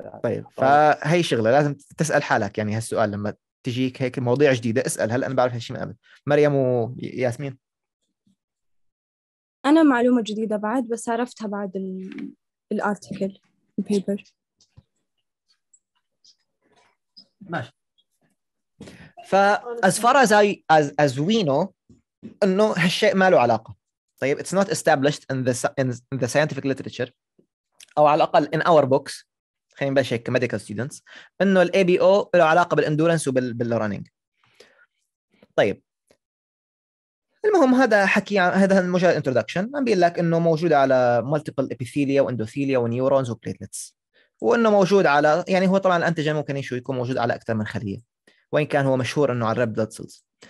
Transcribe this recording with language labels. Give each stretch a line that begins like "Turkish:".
Arabic: يعني طيب فهي شغله لازم تسال حالك يعني هالسؤال لما تجيك هيك مواضيع جديده اسال هل انا بعرف هالشيء من قبل. مريم وياسمين انا معلومه جديده بعد بس عرفتها بعد الارتكل البيبر. ماشي. فا
English: as far as I as we know
Arabic: إنه هالشيء ما له علاقة.
English: طيب it's not established in the scientific literature
Arabic: أو على الأقل
English: in our books.
Arabic: خلينا بس هيك medical students إنه the ABO له علاقة بالendurance وبالrunning. طيب. المهم هذا حكي عن هذا مجرد introduction. عم بيقول لك إنه موجود على multiple epithelia وendothelia وneurons وplatelets. وانه موجود على يعني هو طبعا الانتيجين ممكن يشو يكون موجود على اكثر من خليه وان كان هو مشهور انه على الريد بلاد سيلز.